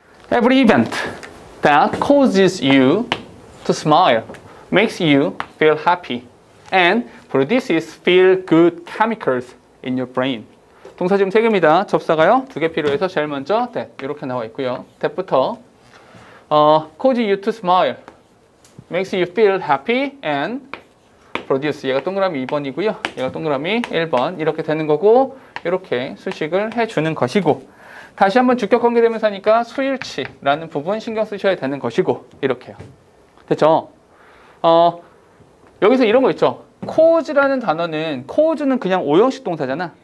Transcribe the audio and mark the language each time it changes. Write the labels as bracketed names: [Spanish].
[English] Every event that causes you to smile makes you feel happy and produces feel-good chemicals in your brain. [Korean] 동사 지금 세 개입니다. 접사가요. 두 개 필요해서 제일 먼저 that 이렇게 나와 있고요. [English] that부터 causes you to smile makes you feel happy and produce. [Korean] 얘가 동그라미 2번이고요. 얘가 동그라미 1번 이렇게 되는 거고 이렇게 수식을 해주는 것이고 다시 한번 주격 관계대명사니까 수일치라는 부분 신경 쓰셔야 되는 것이고 이렇게요. 됐죠? 여기서 이런 거 있죠. cause라는 단어는 cause는 그냥 오형식 동사잖아.